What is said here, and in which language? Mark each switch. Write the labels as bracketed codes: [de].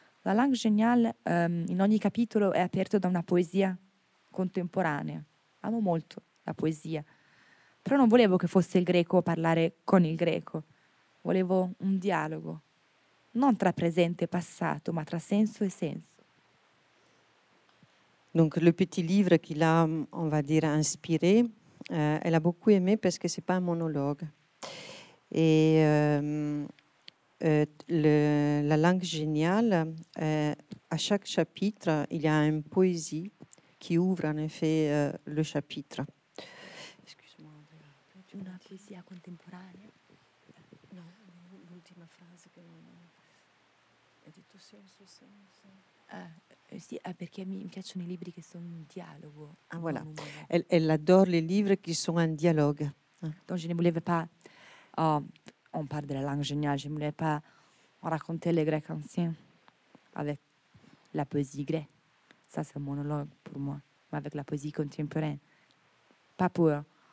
[it] La Langue Géniale in ogni capitolo è aperto da una poesia contemporanea. Amo molto la poesia, però non volevo che fosse il greco a parlare con il greco. Volevo un dialogo, non tra presente e passato, ma tra senso e senso. [fr] Donc le petit livre qui l'a, on va dire, inspiré, elle a beaucoup aimé parce que c'est pas un monologue. Et la langue géniale, à chaque chapitre, il y a une poésie qui ouvre en effet le chapitre. Excuse-moi, André. Une poésie contemporaine. [it] Non, l'ultima [fr] phrase que [it] non. È tutto senso, senso. Sì, perché mi piacciono i libri che sono un dialogo. [fr] Ah, voilà. Elle adore les livres qui sont un dialogue. Donc, je ne voulais pas. Oh, on parle de la langue géniale. Je ne voulais pas raconter les Grecs anciens avec la poésie grecque. Ça, c'est un monologue pour moi. Mais avec la poésie contemporaine. Pas pour.